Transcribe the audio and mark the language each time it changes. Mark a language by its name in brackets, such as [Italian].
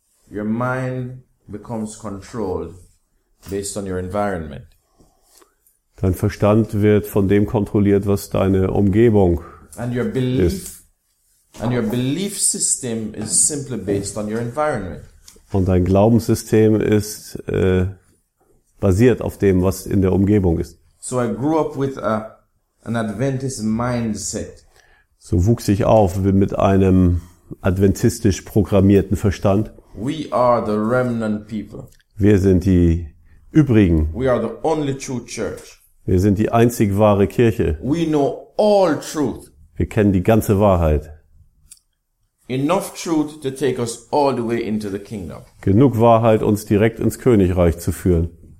[English] Your mind becomes controlled based on your environment. [German] Dein Verstand wird von dem kontrolliert, was deine Umgebung [English] and your belief, [German] ist. [English] And your belief system is simply based on your environment. [German] Und dein Glaubenssystem ist basiert auf dem, was in der Umgebung ist. [English] So I grew up with an Adventist mindset. [German] So wuchs ich auf mit einem adventistisch programmierten Verstand. [English] We are the remnant people. [German] Wir sind die übrigen. [English] We are the only true church. [German] Wir sind die einzig wahre Kirche. [English] We know all truth. [German] Wir kennen die ganze Wahrheit. [English] Enough truth to take us all the way into the kingdom. [German] Genug Wahrheit, uns direkt ins Königreich zu führen.